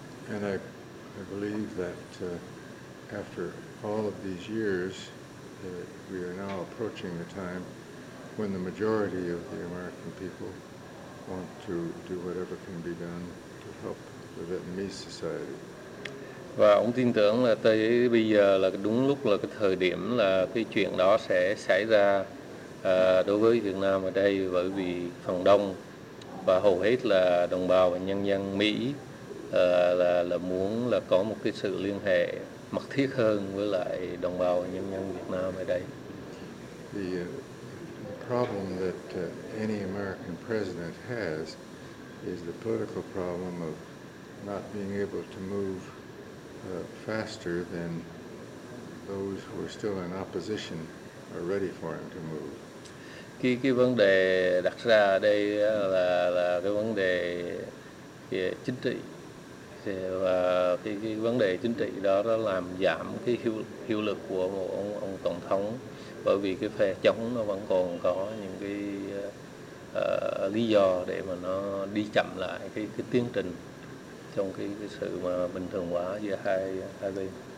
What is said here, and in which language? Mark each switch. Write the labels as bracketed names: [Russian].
[English] And I believe that after all of these years, we are now approaching the time when the majority of the American people want to do whatever can be done to help the Vietnamese society. [Vietnamese] Và ông tin tưởng là tới bây giờ là đúng lúc là cái thời điểm là cái chuyện đó sẽ xảy ra đối với Việt Nam ở đây, bởi vì phần đông và hầu hết là đồng bào và nhân dân Mỹ là muốn là có một cái sự liên hệ mật thiết hơn với lại đồng bào và nhân dân Việt Nam ở đây. [English] The problem that any American president has is the political problem of not being able to move faster than those who are still in opposition are ready for him to move. [Vietnamese] Cái vấn đề đặt ra ở đây là cái vấn đề chính trị, và cái vấn đề chính trị đó làm giảm cái hiệu lực của một ông tổng thống. Bởi vì cái phe chống nó vẫn còn có những cái lý do để mà nó đi chậm lại cái tiến trình trong cái sự mà bình thường hóa giữa hai bên.